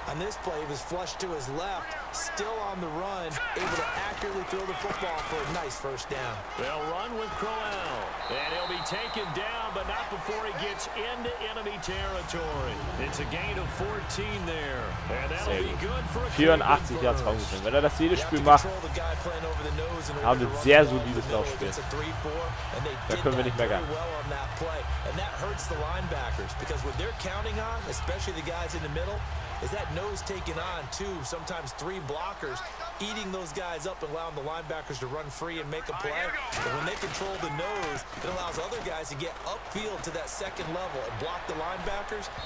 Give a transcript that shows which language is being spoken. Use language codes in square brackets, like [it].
[en] On this play, he was flushed to his left, still on the run, able to accurately throw the football for a nice first down. They'll run with Crowell, and he'll be taken down, but not before he gets into enemy territory. It's a gain of 14 there, and that'll be good for a [de] 84 Yards rausgekommen. Wenn er das jedes Spiel macht, haben wir ein sehr solides Laufspiel. Da können wir nicht mehr gehen. [en] That hurts the linebackers because what they're counting on, especially the guys in the middle, is that nose taking on two, sometimes three blockers, eating those guys up and allowing the linebackers to run free and make a play. And when they control the nose, it allows other guys to get upfield to that second level and block the linebackers.